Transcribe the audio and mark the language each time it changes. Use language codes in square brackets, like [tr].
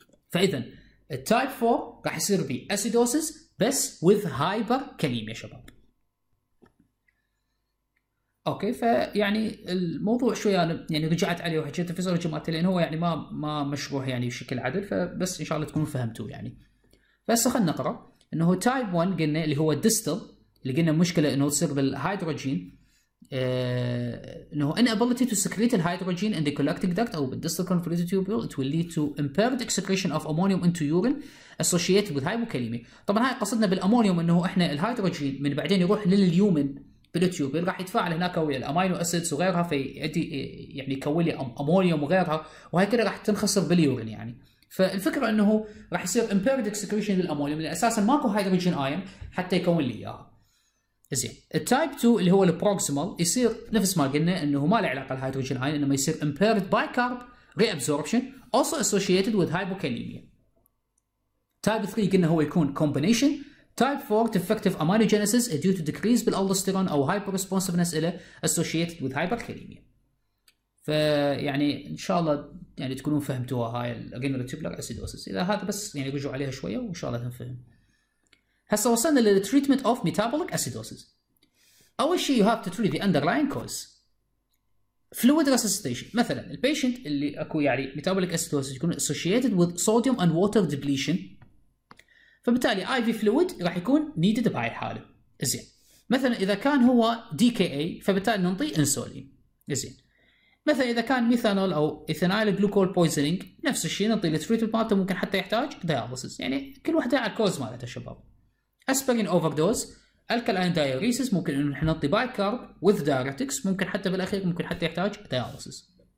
[ar] فاذا التايب 4 راح يصير بي اسيدوسس بس وذ هايبر كاليميا شباب. اوكي، فيعني الموضوع شوي انا يعني رجعت عليه وحكيت في صوره جماعه، لان هو يعني ما مشروح يعني بشكل عدل، فبس ان شاء الله تكونوا فهمتوه يعني. بس خلينا نقرا انه تايب 1 قلنا اللي هو ديستل، اللي قلنا مشكله انه تصير بالهيدروجين، انه [en] inability to secrete the hydrogen in the collecting duct [ar] او بالديستل كونفليت تيوبول، [en] it will lead to impaired excretion of ammonium into urine associated with hypokalemia. [ar] طبعا هاي قصدنا بالامونيوم، انه احنا الهيدروجين من بعدين يروح لليومن بالتيوبين راح يتفاعل هناك ويا الامينو اسيدز وغيرها، فيؤدي يعني يكون لي امونيوم وغيرها، وهي كلها راح تنخسر باليورين يعني. فالفكره انه راح يصير امبيرد اكسكريشن للامونيوم، لان اساسا ماكو هيدروجين ايون حتى يكون لي اياها. زين، التايب 2 اللي هو البروكسيمال يصير نفس ما قلنا انه ما له علاقه الهيدروجين ايون، انما يصير امبيرد بايكارب ري ابزوربشن اوسو اسوشيتد وذ هايبوكاليميا. تايب 3 قلنا هو يكون كومبينيشن. [en] Type 4 defective aminogenesis due to decrease in aldosterone or hyper responsiveness إلى associated with hyperkalemia. [ar] فيعني إن شاء الله يعني تكونون فهمتوها هاي الرينال تيوبولار أسيدوسس. إذا هذا بس يعني رجعوا عليها شوية وإن شاء الله تنفهم. هسا وصلنا لل [en] treatment of metabolic acidosis. [ar] أول شيء [en] you have to treat the underlying cause. Fluid resuscitation. مثلا ال patient [ar] اللي أكو يعني [en] metabolic acidosis يكون associated with sodium and water depletion. [ar] فبالتالي IV fluid راح يكون needed بهاي الحالة. زين، مثلا إذا كان هو DKA فبالتالي ننطي انسولين. زين، مثلا إذا كان ميثانول أو إيثانيل جلوكول بويزنينج نفس الشيء، ننطي التريتمنت مالته، ممكن حتى يحتاج دياليسيس. يعني كل واحدة على الكوز مالتها شباب. أسبرين أوفر دوز، ألكالين دايوريسيس، ممكن إنه نحن ننطي بايكارب وذ دايوريتكس، ممكن حتى بالأخير ممكن حتى يحتاج دياليسيس.